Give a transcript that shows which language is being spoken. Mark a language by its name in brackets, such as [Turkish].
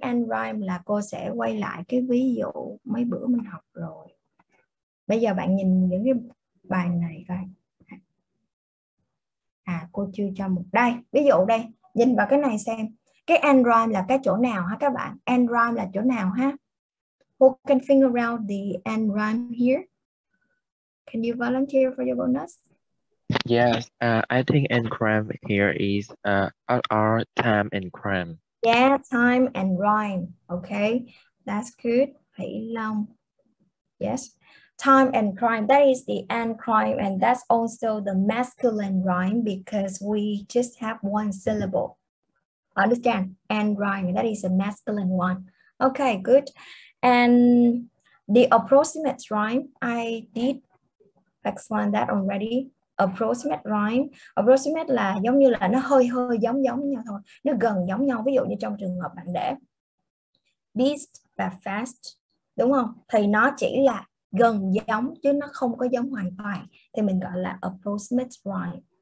[Vietnamese] End rhyme là cô sẽ quay lại cái ví dụ mấy bữa mình học rồi. Bây giờ bạn nhìn những cái bài này coi. À, cô chưa cho một đây. Ví dụ đây, nhìn vào cái này xem. Cái end rhyme là cái chỗ nào hả các bạn? End rhyme là chỗ nào ha? [English] Who can figure out the end rhyme here? Can you volunteer for your bonus? Yes, I think end rhyme here is our time and rhyme. Yeah, time and rhyme. Okay, that's good. Hãy Long. Yes. Time and crime, that is the end crime, and that's also the masculine rhyme because we just have one syllable. Understand? End rhyme, that is a masculine one. Okay, good. And the approximate rhyme, I did explain that already. Approximate rhyme. [Vietnamese] Approximate là giống như là nó hơi hơi giống giống nhau thôi. Nó gần giống nhau, ví dụ như trong trường hợp bạn để beast và fast, đúng không? Thì nó chỉ là gần giống chứ nó không có giống hoàn toàn thì mình gọi là approximate rhyme.